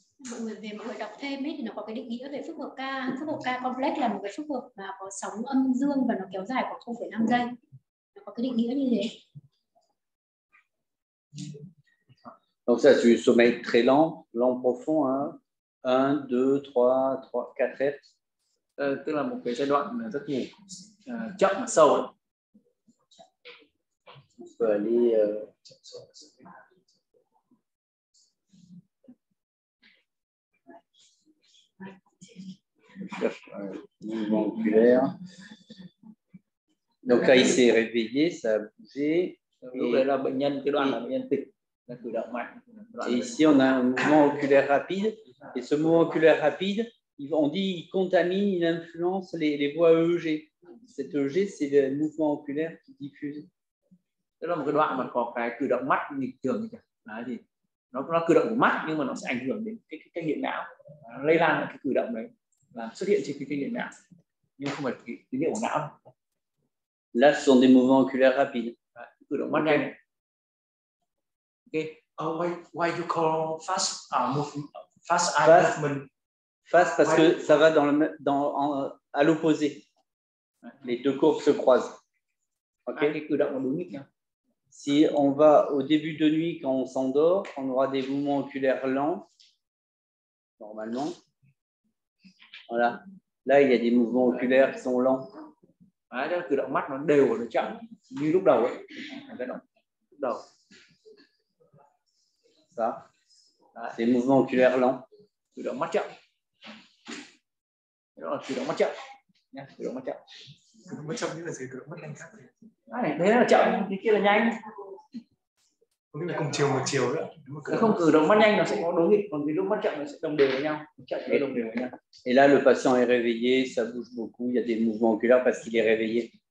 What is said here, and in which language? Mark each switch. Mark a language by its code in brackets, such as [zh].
[vi] Mọi người mọi người đọc thêm ấy thì nó có cái định nghĩa về phức hợp ca. Phức hợp ca complex là một cái phức hợp mà có sóng âm dương và nó kéo dài khoảng 0,5 giây. Nó có cái định nghĩa như thế. [fr] Donc ça, c'est du sommeil très lent, lent profond, hein. 1, 2, 3, 3, 4 hertz. [vi] Tức là một cái giai đoạn rất ngủ chậm và sâu. [fr] On peut aller... mouvement oculaire. Donc là, il s'est réveillé, ça a bougé. Et ici, on a un mouvement oculaire rapide. Et ce mouvement oculaire rapide, on dit qu'il contamine, il influence les voies EEG. Cet EEG, c'est le mouvement oculaire qui diffuse. C'est là, [vi] một đoạn mà có cái cử động mắt bình thường. Nó cử động của mắt, nhưng mà nó sẽ ảnh hưởng đến cái điện não, lây lan cái cử động đấy, là xuất hiện trên cái kinh điện não, nhưng không phải cái tín hiệu của não. [fr] Là, ce sont des mouvements oculaires rapides. [vi] Cử động mắt nhanh. Ok. [en] Why you call fast movement? Fast eye movement. [fr] Fast parce que ça va à l'opposé. Les deux courbes se croisent. Ok. Ah, les [vi] cử động [fr] en unique. Si on va au début de nuit quand on s'endort, on aura des mouvements oculaires lents, normalement. Voilà. Là, il y a des mouvements oculaires qui sont lents. [vi] Ah, là, cử động mắt nó đều nó chậm như lúc đầu ấy. Lúc đầu. Ça. Des mouvements oculaires lents. Cử động mắt chậm. Đó là cử động mắt chậm. Nha, cử động mắt chậm. Cử động mắt chậm như là gì? Cử động mắt nhanh khác. Đấy là chậm, cái kia là nhanh. Cái là cùng chiều một chiều đấy. Không cử động mắt nhanh nó sẽ có đối nghịch, còn cái lúc mắt chậm nó sẽ đồng đều với nhau. Chậm nó đồng đều với nhau. [fr] Et là le patient est réveillé, ça bouge beaucoup, il y a des mouvements oculaires parce qu'il est réveillé.